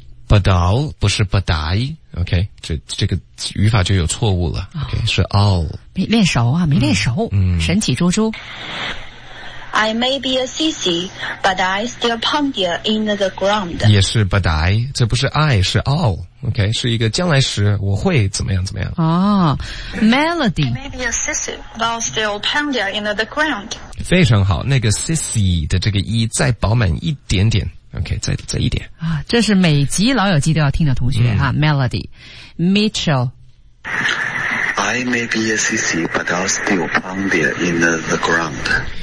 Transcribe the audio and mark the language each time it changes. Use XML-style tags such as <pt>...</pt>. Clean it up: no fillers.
<zh>Badal, 不是 badai, OK, 这个语法就有错误了。OK,、哦、是 all. 没练熟啊，没练熟。嗯，神奇猪猪。</zh> <en>I may be a sissy, but I still pound you in the ground.</en> <zh>也是 badai, 这不是 I, 是 all. OK, 是一个将来时我会怎么样怎么样。</zh> <en>哦、Melody. I may be a sissy, but I'll still pound you into the ground.</en> <zh>非常好，那个 sissy 的这个 e 再饱满一点点。OK, 再一点。啊，这是每集老友记都要听的同学、嗯、啊 ,Melody. Mitchell.</zh> <en>I may be a sissy, but I'll still pound you into the ground.</en>